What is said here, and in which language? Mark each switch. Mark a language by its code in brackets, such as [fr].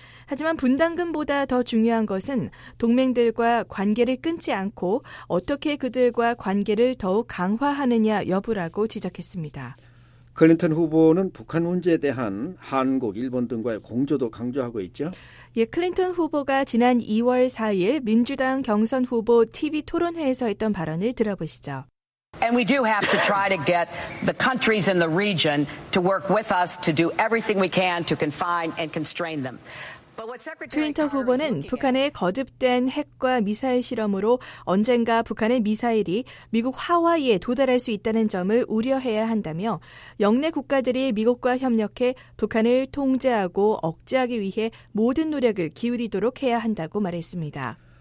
[ko] 하지만 분담금보다 더 중요한 것은 동맹들과 관계를 끊지 않고 어떻게 그들과 관계를 더욱 강화하느냐 여부라고 지적했습니다. 클린턴 후보는 북한 문제에 대한 한국, 일본 등과의 공조도 강조하고 있죠. 예, 클린턴 후보가 지난 2월 4일 민주당 경선 후보 TV 토론회에서 했던 발언을 들어보시죠. [en] And we do have to try to get the countries in the region to work with us to do everything we can to confine and constrain them. [ko] 트윈터 후보는 북한의 거듭된 핵과 미사일 실험으로 언젠가 북한의 미사일이 미국 하와이에 도달할 수 있다는 점을 우려해야 한다며 영내 국가들이 미국과 협력해 북한을 통제하고 억제하기 위해 모든 노력을 기울이도록 해야 한다고 말했습니다.